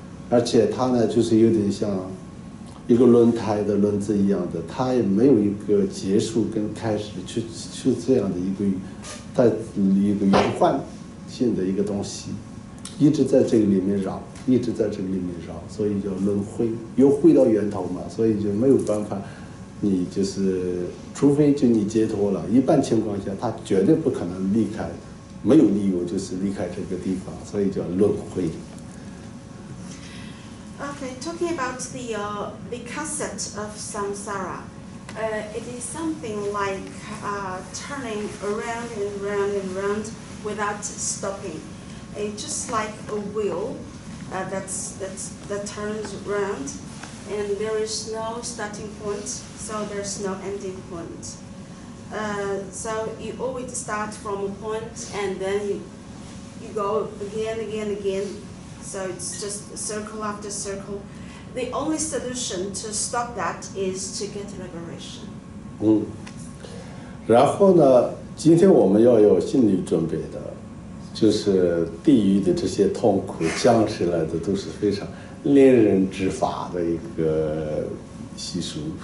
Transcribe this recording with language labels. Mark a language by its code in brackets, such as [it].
[zh] 而且它呢，就是有点像一个轮胎的轮子一样的，它也没有一个结束跟开始，就这样的一个带一个圆环性的一个东西，一直在这个里面绕，一直在这个里面绕，所以就轮回，又回到源头嘛，所以就没有办法，你就是除非就你解脱了，一般情况下它绝对不可能离开，没有理由就是离开这个地方，所以叫轮回。 [en] Talking about the concept of samsara, it is something like turning around and around and around without stopping. It's just like a wheel, that turns round, and there is no starting point, so there's no ending point. So you always start from a point, and then you go again. So it's just circle after circle. The only solution to stop that is to get liberation. [zh] 然后呢，今天我们要有心理准备的，就是地狱的这些痛苦降世来的都是非常令人之法的一个习俗。